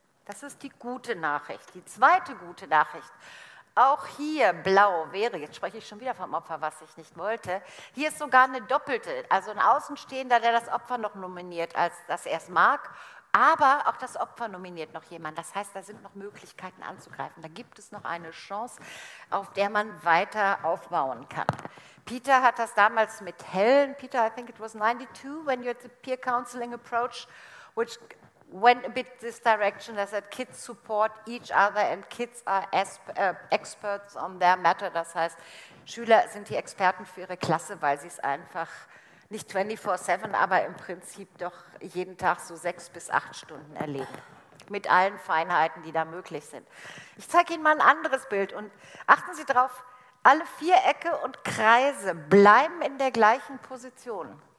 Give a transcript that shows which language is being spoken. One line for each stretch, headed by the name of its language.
German: Das ist die gute Nachricht. Die zweite gute Nachricht, auch hier blau wäre, jetzt spreche ich schon wieder vom Opfer, was ich nicht wollte, hier ist sogar eine doppelte, also ein Außenstehender, der das Opfer noch nominiert, als das er es mag, aber auch das Opfer nominiert noch jemand. Das heißt, da sind noch Möglichkeiten anzugreifen, da gibt es noch eine Chance, auf der man weiter aufbauen kann. Peter hat das damals mit Helen,
English: Peter, I think it was 92, when you had the peer counseling approach, which went a bit this direction, that said kids support each other and kids are experts on their matter.
German: Das heißt, Schüler sind die Experten für ihre Klasse, weil sie es einfach nicht 24/7, aber im Prinzip doch jeden Tag so 6 bis 8 Stunden erleben. Mit allen Feinheiten, die da möglich sind. Ich zeige Ihnen mal ein anderes Bild und achten Sie darauf, alle Vierecke und Kreise bleiben in der gleichen Position.